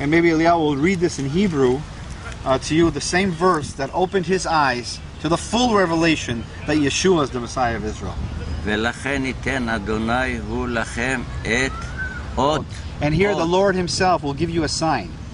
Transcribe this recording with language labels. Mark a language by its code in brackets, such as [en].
[en] And maybe Eliyahu will read this in Hebrew to you, the same verse that opened his eyes to the full revelation that Yeshua is the Messiah of Israel. [he] ולכן ייתן אדוני הוא לכם את אות. [en] And here the Lord himself will give you a sign.